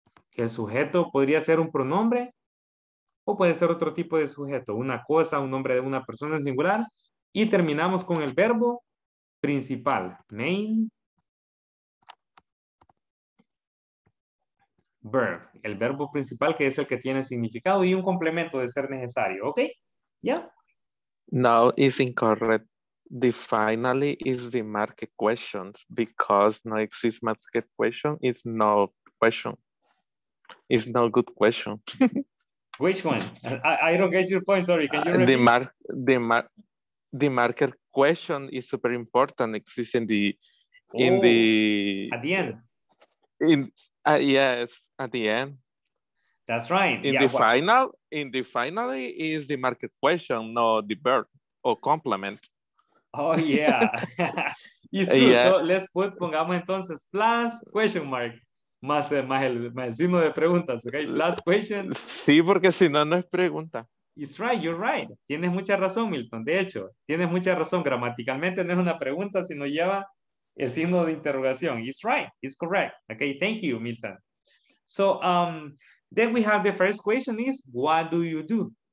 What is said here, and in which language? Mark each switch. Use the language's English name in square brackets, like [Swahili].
[Spanish] Que el sujeto podría ser un pronombre o puede ser otro tipo de sujeto, una cosa, un nombre de una persona en singular. Y terminamos con el verbo principal, main verb, el verbo principal, que es el que tiene significado y un complemento de ser necesario, ¿ok? ¿Ya? [English] Now is incorrect. The finally is the market question because no exist market question. It's no question. It's no good question. Which one? I don't get your point. Sorry. Can you repeat? The market question is super important. Exists in the in the at the end. Yes, at the end. That's right. In the final is the market question, not the verb or complement. Oh, yeah. It's true. Yeah. So let's put, [Spanish] pongamos entonces, [English] plus question mark, [Spanish] más el signo de preguntas, [English] okay? Plus question. [Spanish] Sí, porque si no, no es pregunta. [English] It's right, you're right. [Spanish] Tienes mucha razón, Milton. De hecho, tienes mucha razón. Gramaticalmente no es una pregunta, sino lleva el signo de interrogación. [English] It's right. It's correct. Okay, thank you, Milton. So, then we have the first question is, what do you do?